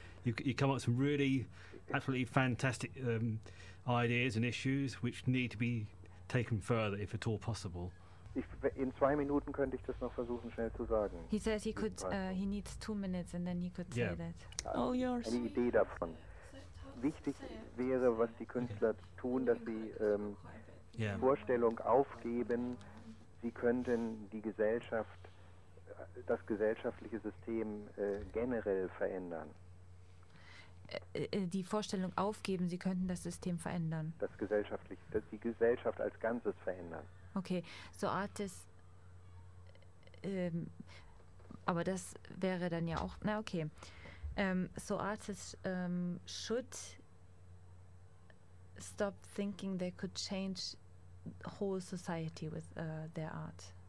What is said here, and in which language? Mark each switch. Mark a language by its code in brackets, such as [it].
[en] You come up with some really absolutely fantastic ideas and issues which need to be taken further, if at all possible. [de] In 2 Minuten könnte ich das noch versuchen, schnell zu sagen. [en] He says he needs 2 minutes and then he could say that. All yours. [de] Eine Idee davon. Wichtig wäre, was die Künstler tun, dass sie Vorstellung aufgeben, sie könnten das gesellschaftliche System generell verändern. Die Vorstellung aufgeben, sie könnten das System verändern. Das gesellschaftliche, dass die Gesellschaft als Ganzes verändern. [en] Okay, so Artists, [de] aber das wäre dann ja auch, na okay. [en] So Artists should stop thinking they could change whole society with their art.